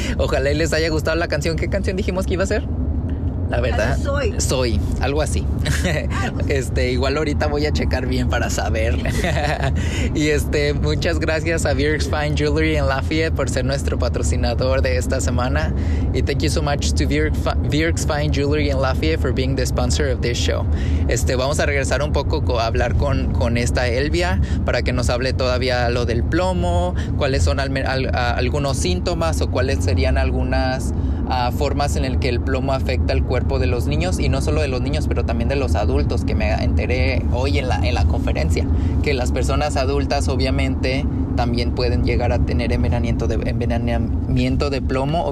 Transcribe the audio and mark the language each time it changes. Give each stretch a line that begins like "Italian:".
Spanish: Ojalá les haya gustado la canción. ¿Qué canción dijimos que iba a ser? La verdad. Soy. Algo así. Igual ahorita voy a checar bien para saber. Y muchas gracias a Vierks Fine Jewelry en Lafayette por ser nuestro patrocinador de esta semana.
English: Y thank you so much to Vierks Fine Jewelry en Lafayette for being the sponsor of this show.
Spanish: Vamos a regresar un poco a hablar con esta Elvia para que nos hable todavía lo del plomo, cuáles son algunos síntomas o cuáles serían algunas formas en las que el plomo afecta al cuerpo de los niños, y no solo de los niños, pero también de los adultos, que me enteré hoy en la conferencia, que las personas adultas obviamente también pueden llegar a tener envenenamiento de plomo.